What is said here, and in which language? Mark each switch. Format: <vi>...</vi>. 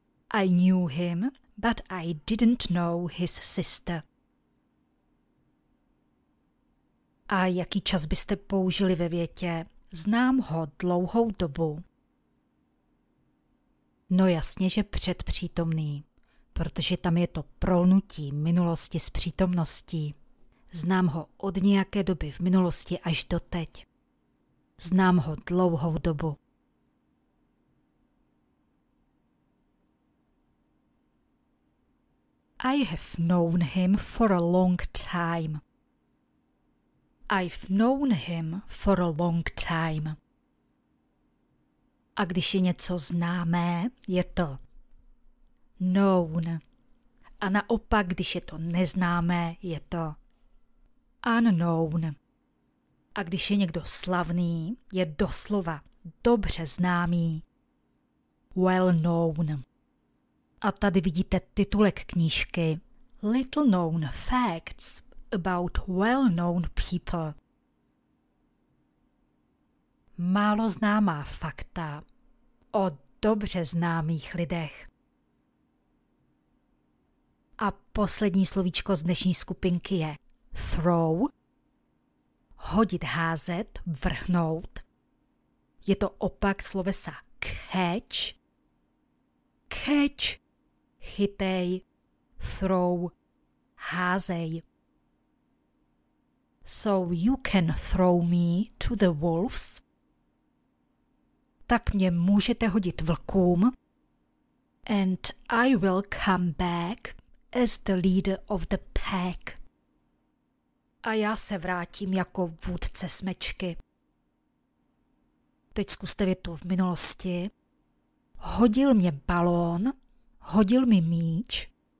<en>I knew him, but I didn't know his sister.</en> <cs>A jaký čas byste použili ve větě? Znám ho dlouhou dobu. No jasně, že předpřítomný, protože tam je to prolnutí minulosti s přítomností. Znám ho od nějaké doby v minulosti až do teď. Znám ho dlouhou dobu.</cs> <en>I have known him for a long time. I've known him for a long time.</en> <cs>A když je něco známé, je to</cs> <en>known.</en> <cs>A naopak, když je to neznámé, je to unknown. A když je někdo slavný, je doslova dobře známý,</cs> <en>well known.</en> <cs>A tady vidíte titulek knížky</cs> <en>Little known facts about well-known people.</en> <cs>Málo známá fakta o dobře známých lidech. A poslední slovíčko z dnešní skupinky je throw. Hodit, házet, vrhnout. Je to opak slovesa catch. Catch, chytej, throw, házej.</cs> <en>So you can throw me to the wolves.</en> <cs>Tak mě můžete hodit vlkům.</cs> <en>And I will come back as the leader of the pack.</en> <cs>A já se vrátím jako vůdce smečky. Teď zkuste větu v minulosti. Hodil mě balón, hodil mi míč.</cs>